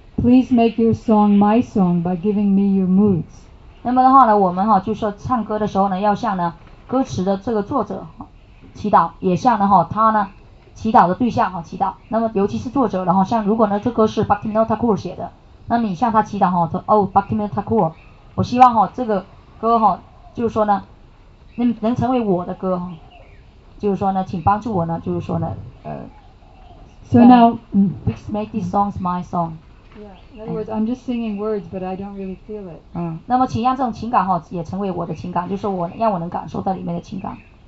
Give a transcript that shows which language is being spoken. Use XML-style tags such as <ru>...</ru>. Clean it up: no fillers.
<en>Please make your song my song by giving me your moods.</en> <zh>那么的话呢，我们哈就是唱歌的时候呢，要向呢歌词的这个作者祈祷，也向呢哈他呢祈祷的对象哈祈祷。那么尤其是作者，然后像如果呢这歌是 Bhaktivinoda Thakur 写的，那么你向他祈祷哈，说哦 Bhaktivinoda Thakur， 我希望哈这个歌哈就是说呢能成为我的歌哈。就是说呢，请帮助我呢。就是说呢，</zh> <en>So now, please make these songs my song. Yeah, in other words, I'm just singing words, but I don't really feel it.</en> <zh>那么请让这种情感哈也成为我的情感，就是我让我能感受到里面的情感。</zh>